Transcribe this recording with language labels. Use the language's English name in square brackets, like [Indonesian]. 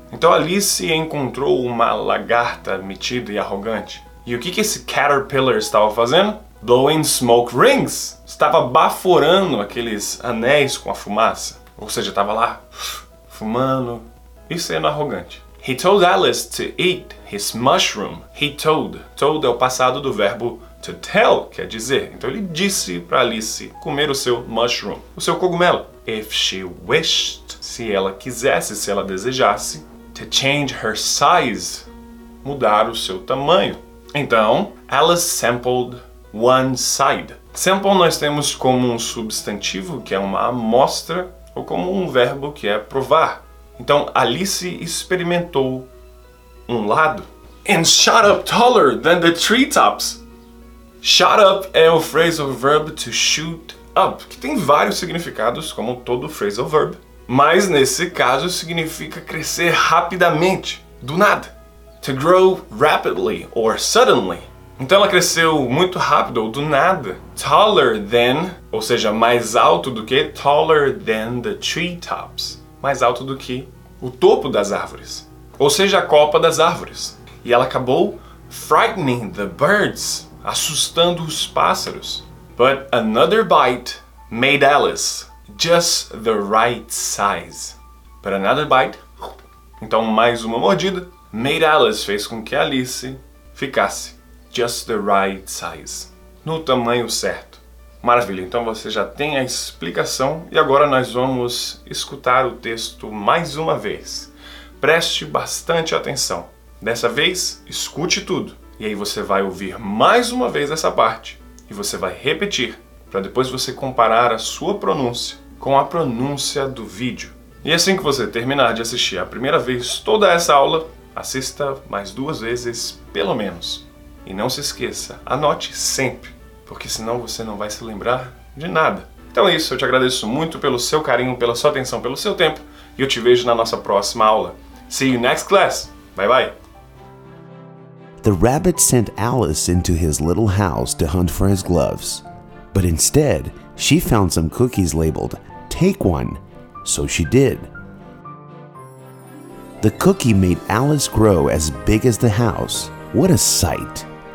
[Portuguese] Então Alice encontrou uma lagarta metida e arrogante. E o que esse caterpillar estava fazendo? [English] Blowing smoke rings. [Portuguese] Estava baforando aqueles anéis com a fumaça. Ou seja, estava lá fumando e sendo arrogante. [English] He told Alice to eat his mushroom. He told. [Portuguese] Told é o passado do verbo to tell, que é dizer. Então ele disse para Alice comer o seu mushroom, o seu cogumelo. [English] If she wished, [Portuguese] se ela quisesse, se ela desejasse, [English] to change her size, [Portuguese] mudar o seu tamanho. [English] Então, Alice sampled one side. [Portuguese] Sample nós temos como um substantivo, que é uma amostra, ou como um verbo, que é provar. Então, Alice experimentou um lado. [English] And shot up taller than the treetops. [Portuguese] Shot up é o phrasal verb to shoot up, que tem vários significados, como todo phrasal verb. Mas, nesse caso, significa crescer rapidamente, do nada. [English] To grow rapidly or suddenly. [Portuguese] Então ela cresceu muito rápido, ou do nada. Taller than, ou seja, mais alto do que, [English] taller than the treetops. [Portuguese] Mais alto do que o topo das árvores. Ou seja, a copa das árvores. E ela acabou [English] frightening the birds, [Portuguese] assustando os pássaros. [English] But another bite made Alice just the right size. But another bite, [Portuguese] então mais uma mordida, [English] made Alice [Portuguese] fez com que Alice ficasse [English] just the right size, [Portuguese] no tamanho certo. Maravilha, então você já tem a explicação e agora nós vamos escutar o texto mais uma vez. Preste bastante atenção. Dessa vez, escute tudo. E aí você vai ouvir mais uma vez essa parte. E você vai repetir, para depois você comparar a sua pronúncia com a pronúncia do vídeo. E assim que você terminar de assistir a primeira vez toda essa aula, assista mais duas vezes, pelo menos. E não se esqueça, anote sempre, porque senão você não vai se lembrar de nada. Então é isso, eu te agradeço muito pelo seu carinho, pela sua atenção, pelo seu tempo. E eu te vejo na nossa próxima aula. [English] See you next class. Bye bye. The rabbit sent Alice into his little house to hunt for his gloves. But instead, she found some cookies labeled, "Take one." So she did. The cookie made Alice grow as big as the house. What a sight!